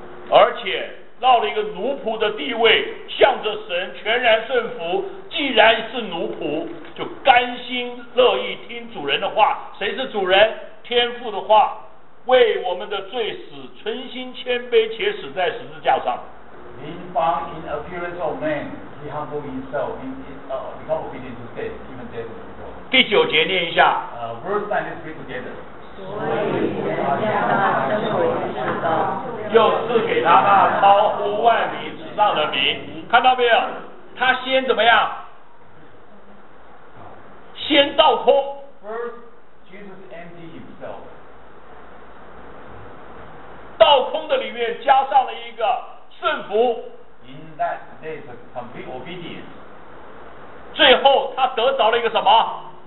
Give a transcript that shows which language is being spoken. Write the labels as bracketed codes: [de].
[zh] 而且落了一个奴仆的地位，向着神全然顺服。既然是奴仆，就甘心乐意听主人的话。谁是主人？天父的话，为我们的罪死，存心谦卑，且死在十字架上。 [en] Being found in appearance of man, he humbled himself in become obedient to death, even death. [zh] 第九节念一下。 [en] Verse 9, let's read together. [zh] 所以人家大声为之的，又赐给他那超乎万里之上的名。看到没有？他先怎么样？先倒空。 [en] First, Jesus emptied himself. [zh] 倒空的里面加上了一个顺服。 [en] In that there's a complete obedience. [zh] 最后他得着了一个什么？